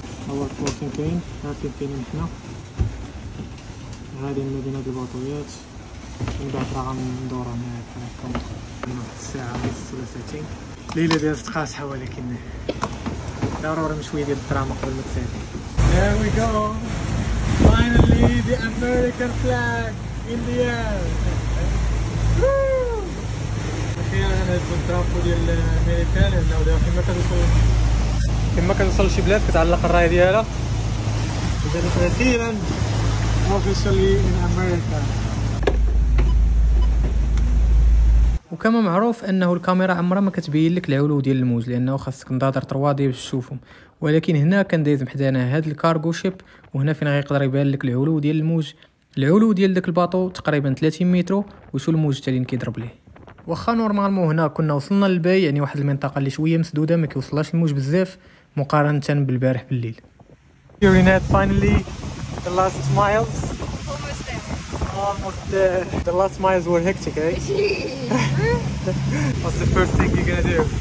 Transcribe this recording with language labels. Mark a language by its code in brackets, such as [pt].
[ar] اول كروزين كاين ها فين كاينين حنا غاديين ما بين هاد الباطويات، من بعد راه غندور هنا كنكون من واحد الساعة ونص ولا ساعتين. ليلة دازت قاصحة ولكن ضروري من شوية ديال الدراما قبل ما تسالي. [en] There we go finally the American flag in the air. [ar] أخيرا غنهزو الترافو ديال الأمريكان، لأنه دابا فين ما كنوصل لشي بلاد كتعلق الراية ديالها. دابا أخيرا [en] officially in America. [ar] وكما معروف انه الكاميرا عمرها ما كتبين لك العلو ديال الموج لانه خاصك نظاظر 3 دي باش تشوفهم، ولكن هنا كان دايز محدانا هاد الكارغو شيب وهنا فين غيقدر يبان لك العلو ديال الموج. العلو ديال داك الباطو تقريبا 30 متر وشو الموج حتى اللي كيضرب ليه. واخا نورمالمون هنا كنا وصلنا للباي يعني واحد المنطقه اللي شويه مسدوده ما كيوصلهاش الموج بزاف مقارنه بالبارح بالليل. [en] يورينات finally the last miles Almost there. The last miles were hectic, eh? What's the first thing you're gonna do?